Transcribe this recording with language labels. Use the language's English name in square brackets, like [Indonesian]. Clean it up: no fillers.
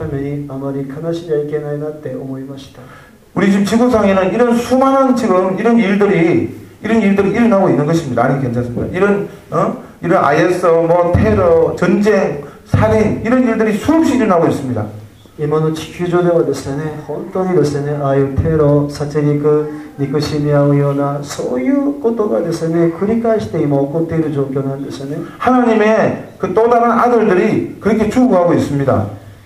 [Japanese] その43記念館に行ってですね、罪もない、理由もなくですね、殺されたあの若者たち、そういう人たちのことを考えて、私も息子のためにあまり悲しんではいけないなって思いました。 [Korean] 우리 지금 지구상에는 이런 수많은 지금 이런 일들이 일어나고 있는 것입니다. 아니 괜찮습니다. 이런 IS, 뭐 테러, 전쟁, 살인 이런 일들이 수없이 일어나고 있습니다. 이만의 [Japanese] 地球上ではですね、本当にですね、ああいうテロ、殺戮、憎しみ合うような、そういうことがですね、繰り返して今起こっている状況なんですね。 [Korean] 하나님의 그 또 다른 아들들이 그렇게 죽어가고 있습니다.